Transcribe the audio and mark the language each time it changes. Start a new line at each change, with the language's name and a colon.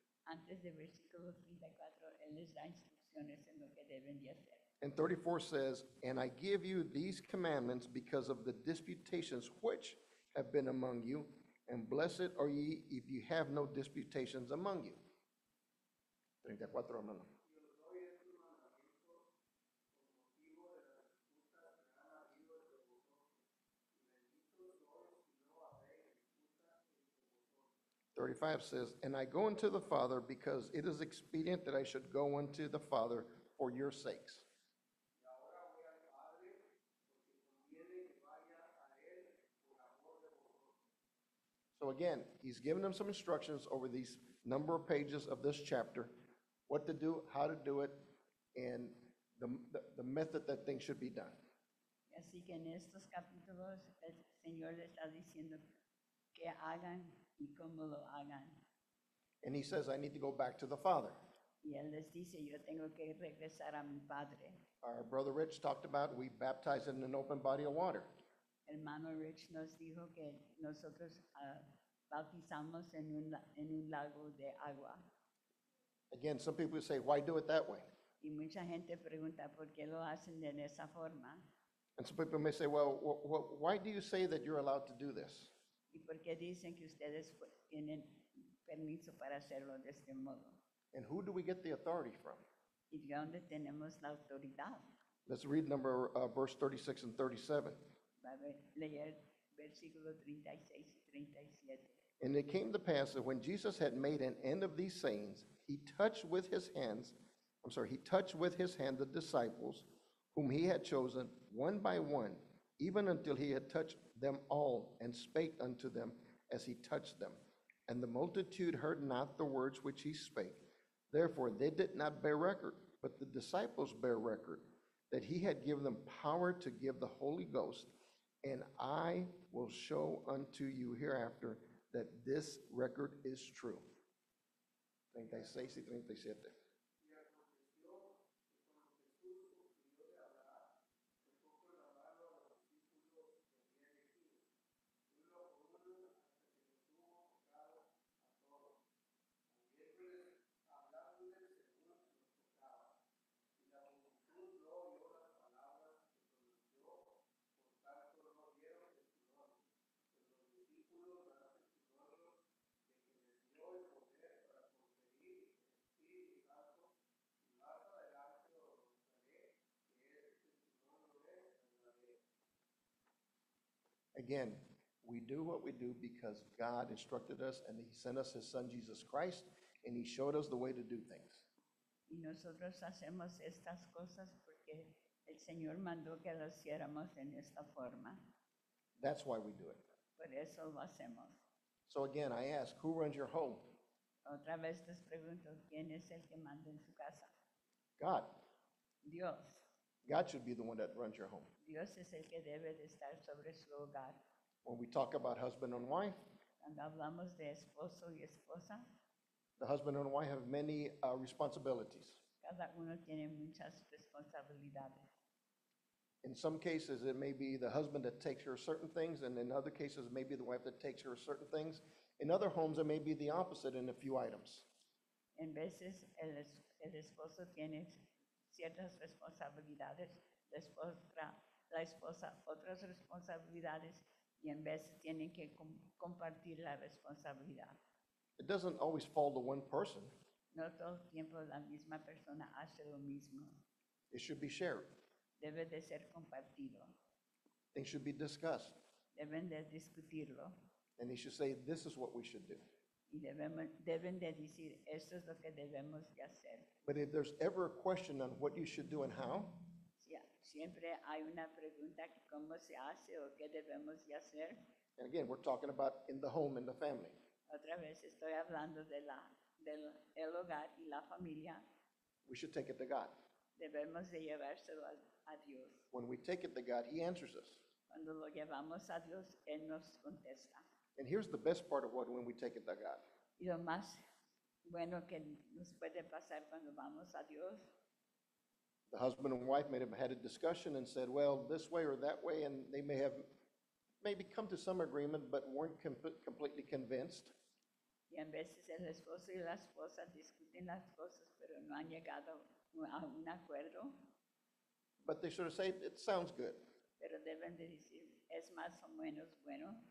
Spanish: Antes de versículo 34, él les da instrucciones en lo que deben de hacer.
English: And 34 says, and I give you these commandments because of the disputations which have been among you, and blessed are ye if you have no disputations among you.
Spanish: 34, hermano.
English: Says, and I go unto the Father because it is expedient that I should go unto the Father for your sakes. So again, he's given them some instructions over these number of pages of this chapter. What to do, how to do it, and the method that things should be done.
Spanish: Así que en estos capítulos el Señor le está diciendo qué hagan y cómo lo hagan.
English: And he says, I need to go back to the Father.
Spanish: Y él les dice, yo tengo que regresar a mi Padre.
English: Our brother Rich talked about we baptize in an open body of water.
Spanish: Hermano Rich nos dijo que nosotros bautizamos en un lago de agua.
English: Again, some people say, why do it that way?
Spanish: Y mucha gente pregunta, ¿por qué lo hacen de esa forma?
English: And some people may say, well, why do you say that you're allowed to do this?
Spanish: ¿Y por qué dicen que ustedes tienen permiso para hacerlo de este modo?
English: And who do we get the authority from?
Spanish: ¿Y de dónde tenemos la autoridad?
English: Let's read verse 36 and 37.
Spanish: Leer versículo 36 y 37.
English: And it came to pass that when Jesus had made an end of these sayings, he touched with his hand the disciples whom he had chosen one by one, even until he had touched them all, and spake unto them as he touched them. And the multitude heard not the words which he spake. Therefore they did not bear record, but the disciples bear record that he had given them power to give the Holy Ghost. And I will show unto you hereafter that this record is true.
Spanish: 36 y 37. Y aconteció que cuando Jesús concluyó de hablar, le puso la mano a los discípulos que había elegido, uno por uno, hasta que los
English: Again, we do what we do because God instructed us and he sent us his son Jesus Christ and he showed us the way to do things.
Spanish: Y nosotros hacemos estas cosas porque el Señor mandó que lo hiciéramos en esta forma.
English: That's why we do it.
Spanish: Por eso lo hacemos.
English: So again, I ask, who runs your home?
Spanish: Otra vez les pregunto, ¿quién es el que manda en su casa?
English: God.
Spanish: Dios.
English: God should be the one that runs your home.
Spanish: Dios es el que debe de estar sobre su hogar.
English: When we talk about husband and wife,
Spanish: cuando hablamos de esposo y esposa,
English: the husband and wife have many responsibilities.
Spanish: Cada uno tiene muchas responsabilidades.
English: In some cases, it may be the husband that takes care of certain things, and in other cases, maybe the wife that takes care of certain things. In other homes, it may be the opposite in a few items.
Spanish: En veces, el esposo tiene ciertas responsabilidades, la esposa otras responsabilidades, y en veces tienen que compartir la responsabilidad.
English: It doesn't always fall to one person.
Spanish: No todo el tiempo la misma persona hace lo mismo.
English: It should be shared.
Spanish: Debe de ser compartido.
English: Things should be discussed.
Spanish: Deben de discutirlo.
English: And he should say, this is what we should do.
Spanish: Y debemos, deben de decir, esto es lo que debemos de hacer.
English: But if there's ever a question on what you should do and how,
Spanish: siempre hay una pregunta, ¿cómo se hace o qué debemos de hacer?
English: And again, we're talking about in the home, in the family.
Spanish: Otra vez estoy hablando de el hogar y la familia.
English: We should take it to God.
Spanish: Debemos de llevárselo a Dios.
English: When we take it to God, he answers us.
Spanish: Cuando lo llevamos a Dios, él nos contesta.
English: And here's the best part of what when we take it to God.
Spanish: Y lo más bueno que nos puede pasar cuando vamos a Dios.
English: The husband and wife may have had a discussion and said, well, this way or that way, and they may have maybe come to some agreement, but weren't completely convinced.
Spanish: Y en veces el esposo y la esposa discuten las cosas, pero no han llegado a un acuerdo.
English: But they sort of say, it sounds good.
Spanish: Pero deben de decir, es más o menos bueno.